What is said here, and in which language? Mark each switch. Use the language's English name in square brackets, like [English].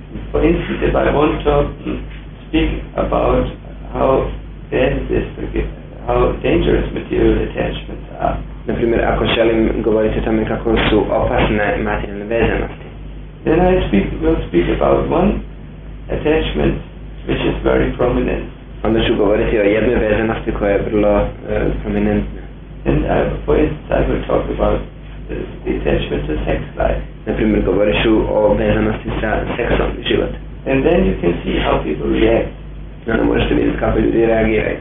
[English] For instance, if I want to speak about how bad this, how dangerous material attachments are, [Croatian] na primjer, ako želim govoriti o tome kako su opasne materijalne vezanosti, [English] then I will speak about one attachment which is very prominent. [Croatian] Onda ću govoriti o jednoj vezanosti koja je vrlo prominentna. [English] And for instance, I will talk about the attachment to sex life. [Croatian] Naprimjer, govorit ću o vezanosti sa seksom život. [English] And then you can see how people react. [Croatian] Onda možete vidjeti kako ljudi reagiraju.